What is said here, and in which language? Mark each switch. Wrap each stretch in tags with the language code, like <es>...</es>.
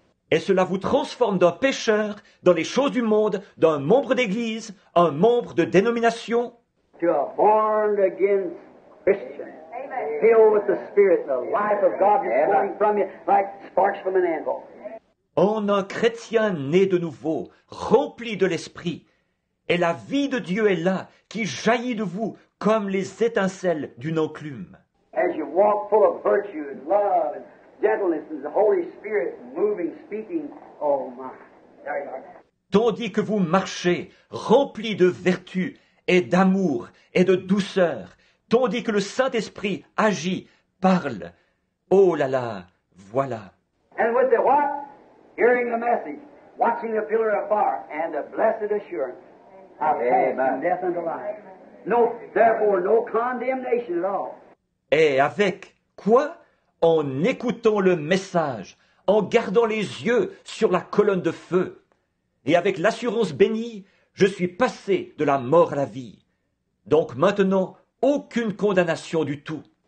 <fr>Et cela vous transforme d'un pécheur dans les choses du monde, d'un membre d'église, un membre de dénomination,</fr> <en>to a born again Christian, filled with the Spirit, the life of God is flowing from you like sparks from an anvil.</en> <fr>En un chrétien né de nouveau, rempli de l'Esprit. Et la vie de Dieu est là, qui jaillit de vous comme les étincelles d'une enclume.</fr> <en>As you walk full of virtue and love and gentleness and the Holy Spirit moving, speaking, oh my, there you are.</en> <fr>Tandis que vous marchez, rempli de vertu et d'amour et de douceur, tandis que le Saint-Esprit agit, parle, oh là là, voilà.</fr> <en>And with the what? hearing the message, watching the pillar of fire, and the blessed assurance of passing death into life. No, therefore, no condemnation at all.</en> <fr>Et avec quoi? En écoutant le message, en gardant les yeux sur la colonne de feu, et avec l'assurance bénie, je suis passé de la mort à la vie. Donc maintenant, aucune condamnation du tout.</fr>